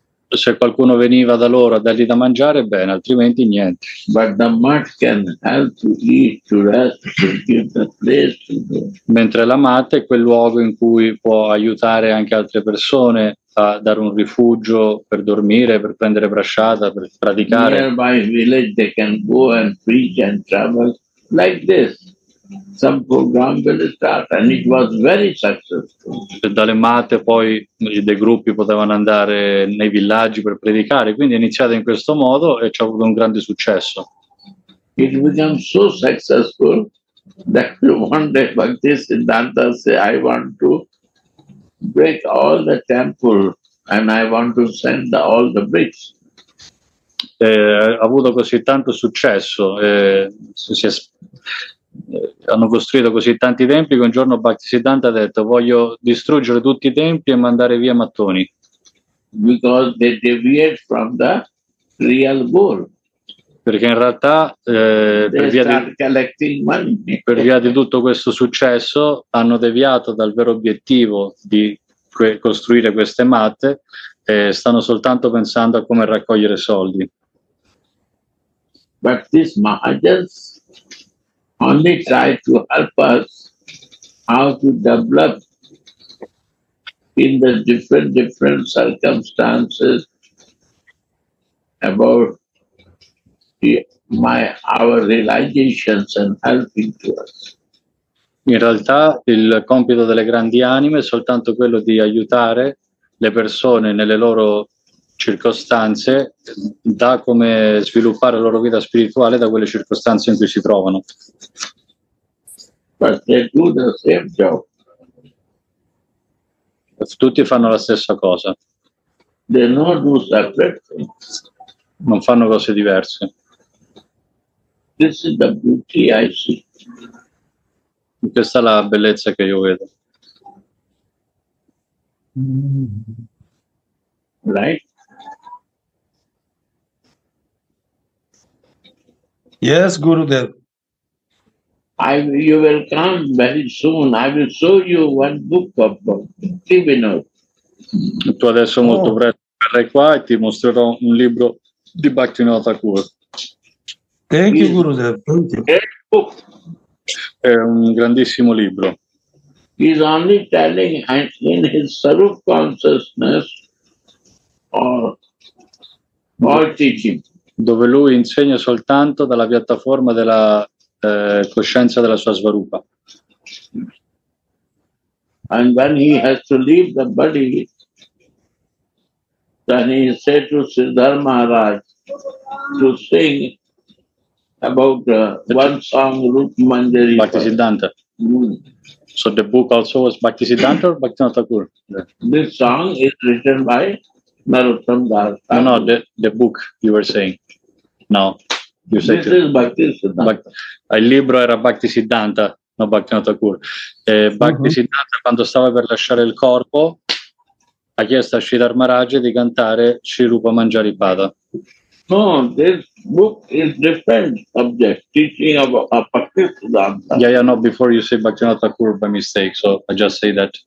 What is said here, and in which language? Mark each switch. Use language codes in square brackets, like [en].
[it] Se qualcuno veniva da loro a dargli da mangiare, bene, altrimenti niente. [en] But the mat can help to eat, to rest, to give the place to go. [it] Mentre la mat è quel luogo in cui può aiutare anche altre persone a dare un rifugio per dormire, per prendere prasciata, per praticare. [en] Nearby village they can go and preach and travel like this. Some program will start and it was very successful. [it] E dalle matte poi dei gruppi potevano andare nei villaggi per predicare, quindi è iniziato in questo modo e ci ha avuto un grande successo. [en] It became so successful that one day Bhaktisiddhanta said, I want to break all the temple and I want to send all the bricks. [it] Ha avuto così tanto successo, hanno costruito così tanti templi che un giorno Bhaktisiddhanta ha detto: voglio distruggere tutti i templi e mandare via mattoni. [en] Because they deviate from the real goal. [it] Perché in realtà per via di tutto questo successo hanno deviato dal vero obiettivo di costruire queste matte e stanno soltanto pensando a come raccogliere soldi. [en] But this Mahajans only try to help us how to develop in the different circumstances about our realizations and helping to us. [it] In realtà il compito delle grandi anime è soltanto quello di aiutare le persone nelle loro circostanze, da come sviluppare la loro vita spirituale da quelle circostanze in cui si trovano. [en] But they do the same job. [it] Tutti fanno la stessa cosa. [en] They not do separate things. [it] Non fanno cose diverse. [en] This is the beauty I see. [it] Questa è la bellezza che io vedo. [en] Right? Yes, Gurudev. You will come very soon. I will show you one book of Bhaktivinoda. [it] Tu adesso molto presto verrai qua e ti mostrerò un libro di Bhaktivinoda Thakur. [en] Thank you, Gurudev. Thank you. Great book. [it] È un grandissimo libro. [en] He is only telling in his sarup consciousness or teaching. [it] Dove lui insegna soltanto dalla piattaforma della coscienza della sua svarupa. [en] And when he has to leave the body, then he said to Siddhartha Maharaj to sing about one song, Rukmanjari. Bhaktisiddhanta. Mm. So the book also was Bhaktisiddhanta or Bhaktivinoda Thakur? This song is written by Narottam Das. No, the book you were saying. No. You said this is Bhaktisiddhanta. [it] Il libro era Bhaktisiddhanta, no Bhaktivinoda Thakur. Bhaktisiddhanta, quando stava per lasciare il corpo, ha chiesto a Siddhartha Maharaj di cantare Sri Rupa Manjari Pada. [en] No, this book is different subject, teaching about Bhaktisiddhanta. Yeah, no, before you say Bhaktivinoda Thakur by mistake, so I just say that.